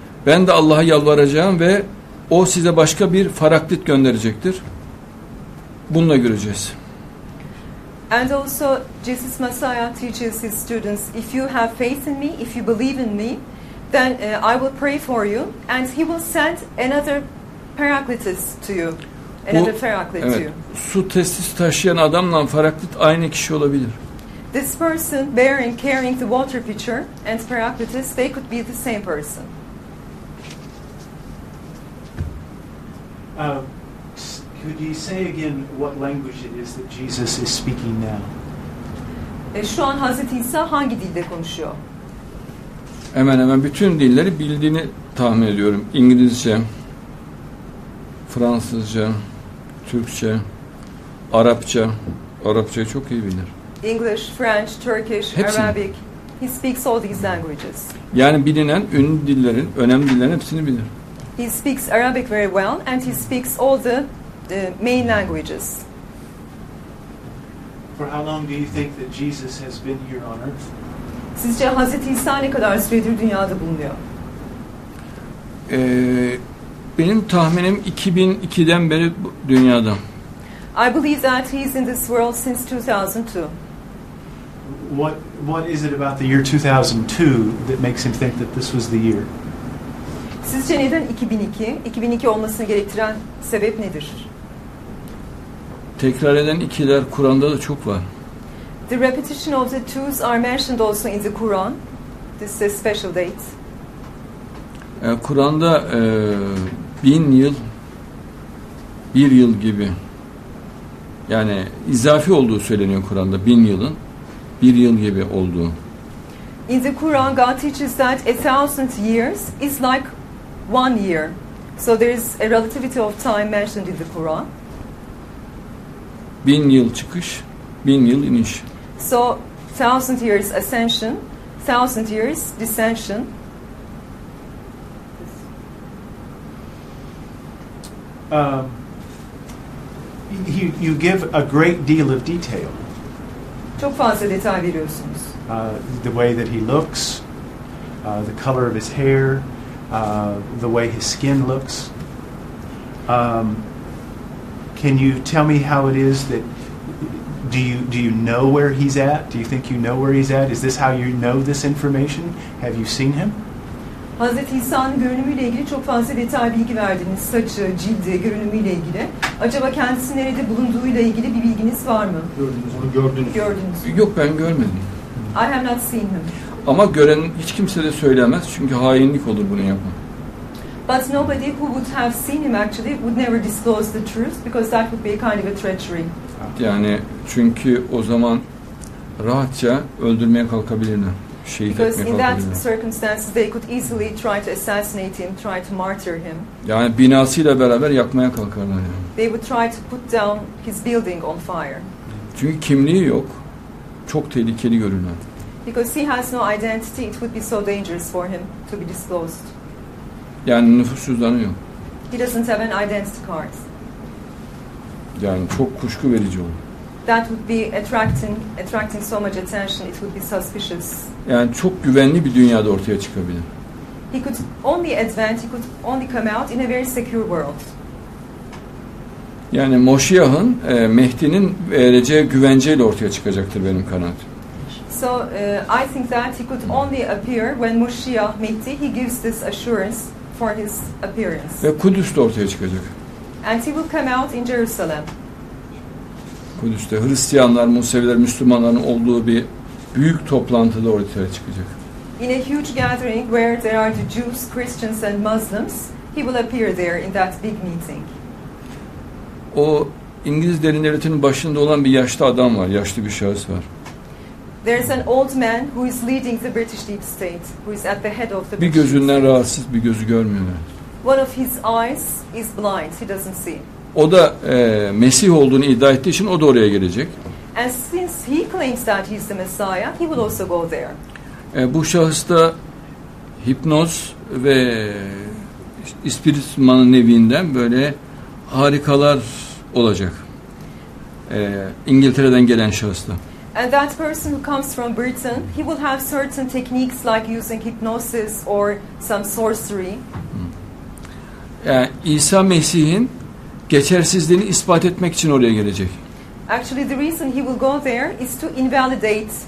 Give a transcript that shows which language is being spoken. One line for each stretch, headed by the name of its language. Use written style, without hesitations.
Turkish: Ben de Allah'a yalvaracağım ve O size başka bir Paraklit gönderecektir. Bununla göreceğiz.
English: And also Jesus Messiah teaches his students, if you have faith in me, if you believe in me, then I will pray for you and he will send another Paraklitus to you. Another Paraklitus.
Turkish: Evet, su testisi taşıyan adamla Paraklit aynı kişi olabilir.
English: This person bearing carrying the water pitcher and Paraklitus, they could be the same person. Could you say again what language it is that Jesus is speaking now?
Turkish: Şu an Hazreti İsa hangi dilde konuşuyor? Hemen hemen bütün dilleri bildiğini tahmin ediyorum. İngilizce, Fransızca, Türkçe, Arapça. Arapçayı çok iyi bilir.
English: English, French, Turkish,
Turkish: hepsini.
English: Arabic. He speaks all these languages.
Turkish: Yani bilinen ünlü dillerin, önemli dillerin hepsini bilir.
English: He speaks Arabic very well and he speaks all the main languages. For how long do you think that Jesus has been here on earth?
Turkish: Sizce Hazreti İsa ne kadar süredir dünyada bulunuyor? Benim tahminim 2002'den beri dünyada.
English: I believe that he's in this world since 2002. What is it about the year 2002 that makes him think that this was the year?
Turkish: Sizce neden 2002? 2002 olmasını gerektiren sebep nedir? Tekrar eden ikiler Kur'an'da da çok var.
English: The repetition of the twos are mentioned also in the Quran. This is a special date.
Turkish: Kur'an'da 1000 yıl, 1 yıl gibi. Yani izafi olduğu söyleniyor Kur'an'da 1000 yılın, 1 yıl gibi olduğu.
English: In the Quran, God teaches that 1000 years is like 1 year. So there is a relativity of time mentioned in the Quran.
Turkish: 1000 yıl çıkış, 1000 yıl iniş.
English: So 1000 years ascension, 1000 years descension. You give a great deal of detail.
Turkish: Çok fazla detay veriyorsunuz.
English: The way that he looks, the color of his hair, the way his skin looks. Can you tell me how it is that do you know where he's at? Do you think you know where he's at? Is this how you know this information? Have you seen him?
Turkish: Hazreti İsa'nın görünümüyle ilgili çok fazla detay bilgi verdiniz. Saçı, cildi, görünümüyle ilgili. Acaba kendisinin nerede bulunduğuyla ilgili bir bilginiz var mı? Gördünüz. Yok, ben görmedim.
English: I have not seen him.
Turkish: Ama gören hiç kimse de söylemez çünkü hainlik olur bunu yapmak.
English: But nobody who would have seen him actually would never disclose the truth because that would be a kind of a treachery.
Turkish: Yani çünkü o zaman rahatça öldürmeye kalkabilirler. Şehit
English: because
Turkish: etmeye kalkabilirler.
English: Because in that circumstances they could easily try to assassinate him, try to martyr him.
Turkish: Yani binasıyla beraber yakmaya kalkarlar yani.
English: They would try to put down his building on fire.
Turkish: Çünkü kimliği yok. Çok tehlikeli görünüyor.
English: Because he has no identity, it would be so dangerous for him to be disclosed.
Turkish: Yani nüfus cüzdanı yok.
English: He doesn't have an identity card.
Turkish: Yani çok kuşku verici olur.
English: That would be attracting so much attention, it would be suspicious.
Turkish: Yani çok güvenli bir dünyada ortaya çıkabilir.
English: He could only advance, he could only come out in a very secure world.
Turkish: Yani Moşiyah'ın, Mehdi'nin vereceği güvenceyle ortaya çıkacaktır benim kanaatim.
English: So I think that he could only appear when Moşiyah, Mehdi, he gives this assurance for his appearance.
Turkish: Ve Kudüs'te ortaya çıkacak.
English: And he will come out in Jerusalem.
Turkish: Kudüs'te Hristiyanlar, Museviler, Müslümanların olduğu bir büyük toplantıda ortaya çıkacak.
English: In a huge gathering where there are the Jews, Christians and Muslims, he will appear there in that big meeting.
Turkish: O İngiliz Derin Devleti'nin başında olan bir yaşlı adam var, yaşlı bir şahıs var.
English: There's an old man who is leading the British deep state, who is at the head of the
Turkish: bir gözünden rahatsız, bir gözü görmüyor.
English: One of his eyes is blind, he doesn't see.
Turkish: O da Mesih olduğunu iddia ettiği için o da oraya gelecek.
English: And since he claims that he's the Messiah, he will also go there.
Turkish: Bu şahıs da hipnoz ve ispiritmanın nevinden böyle harikalar olacak. İngiltere'den gelen şahıs da.
English: And that person who comes from Britain, he will have certain techniques like using hypnosis or some sorcery.
Turkish: Yani İsa Mesih'in geçersizliğini ispat etmek için oraya gelecek.
English: Actually the reason he will go there is to invalidate.